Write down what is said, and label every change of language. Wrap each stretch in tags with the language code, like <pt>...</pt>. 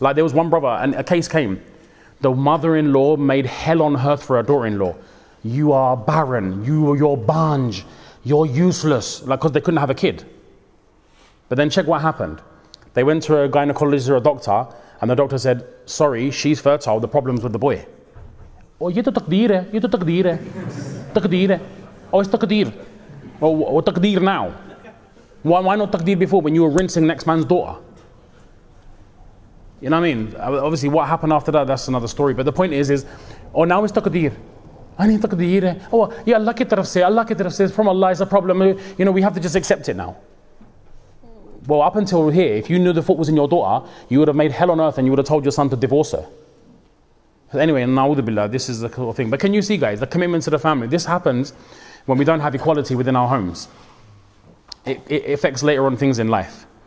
<en>Like there was one brother, and a case came. The mother-in-law made hell on earth for her daughter-in-law. You are barren, you're banj, you're useless. Like, because they couldn't have a kid. But then check what happened. They went to a gynecologist or a doctor, and the doctor said, sorry, she's fertile, the problem's with the boy.</en> <ur>اوہ, یہ تو تقدیر ہے, یہ تو تقدیر ہے. Takdeer hai.</ur> <en>Oh, it's takdeer. Oh, takdeer now. Why not takdeer before when you were rinsing next man's daughter? You know what I mean? Obviously, what happened after that, that's another story. But the point is, oh, now it's takdeer.</en> <ur>انی تقدیر ہے.</ur> <en>Oh, yeah,</en> <ur>اللہ کی طرف سے, اللہ کی طرف سے,</ur> <en>from Allah, it's a problem. You know, we have to just accept it now. Well, up until here, if you knew the fault was in your daughter, you would have made hell on earth and you would have told your son to divorce her. But anyway, na'udhubillah, this is the cool thing. But can you see, guys, the commitment to the family? This happens when we don't have equality within our homes. It affects later on things in life.</en>